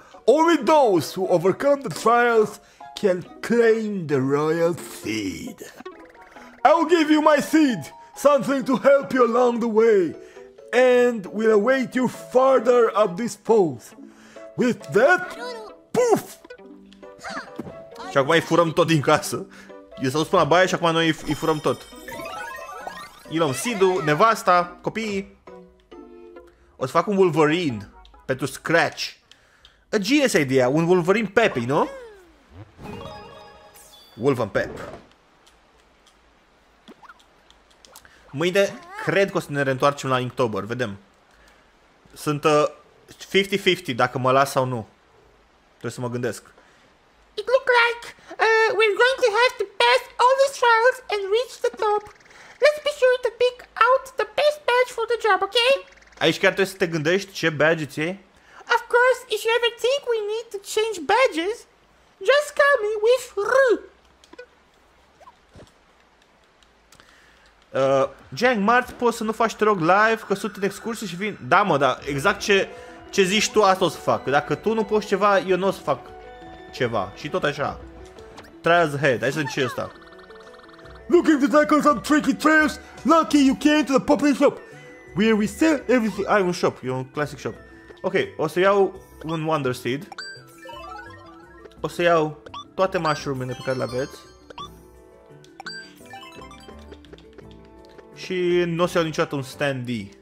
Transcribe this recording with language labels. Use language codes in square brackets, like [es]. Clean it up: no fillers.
[en] Only those who overcome the trials can claim the royal seed. I will give you my seed, something to help you along the way, and will await you farther up this pole. With that, poof! [ro] Și acum îi furăm tot din casă. Eu s-au dus până la baie și acum noi îi furăm tot. Îi luăm seed-ul, nevasta, copiii. O să fac un Wolverine pentru Scratch. [en] A genius idea, [ro] un Wolverine Peppy, nu? Wolverine Pep. Mâine cred că o să ne reîntoarcem la Inktober, vedem. Sunt 50-50 dacă mă las sau nu. Trebuie să mă gândesc. [en] It look like we're going to have to pass all these trials and reach the top. Let's be sure to pick out the best badge for the job, okay? [ro] Aici chiar trebuie să te gândești ce badge îți iei. [en] Of course, if you ever think we need to change badges, just call me with R. [ro] Jang, marți poți să nu faci, te rog, live, că sunt în excursie și vin. Da, mă, da, exact ce zici tu, asta o să fac. Dacă tu nu poți ceva, eu nu o să fac ceva. Și tot așa. [en] Trials ahead, [ro] hai să zic ce e ăsta. [en] Looking to tackle some tricky trails, lucky you came to the popular shop. Where we sell everything. [ro] Ai, un shop, e un classic shop. Ok, o să iau un Wonder Seed. O să iau toate mushroom-urile pe care le aveți. Și nu o să iau niciodată un standee.